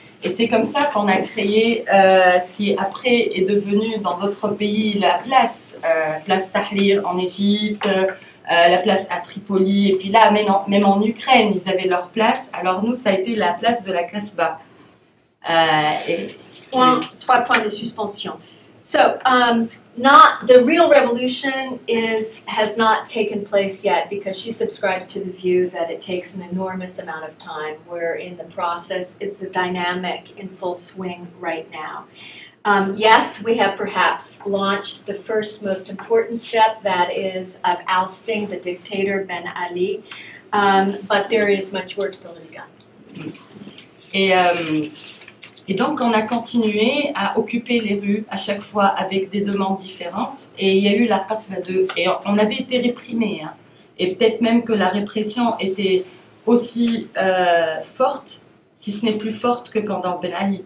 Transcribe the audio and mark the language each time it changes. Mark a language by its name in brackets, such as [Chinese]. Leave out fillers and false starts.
[French] Et c'est comme ça qu'on a créé ce qui après est devenu dans d'autres pays la place, place Tahrir en Égypte, la place à Tripoli, et puis là, même en Ukraine, ils avaient leur place. Alors nous, ça a été la place de la Kasbah. Trois points de suspension. [English] So, not the real revolution has not taken place yet because she subscribes to the view that it takes an enormous amount of time. We're in the process. It's a dynamic in full swing right now. Yes, we have perhaps launched the first most important step, that is of ousting the dictator Ben Ali, but there is much work still to be done. [French] Et donc, on a continué à occuper les rues à chaque fois avec des demandes différentes. Et il y a eu la Kasbah 2. Et on avait été réprimés. Hein. Et peut-être même que la répression était aussi forte, si ce n'est plus forte que pendant Ben Ali.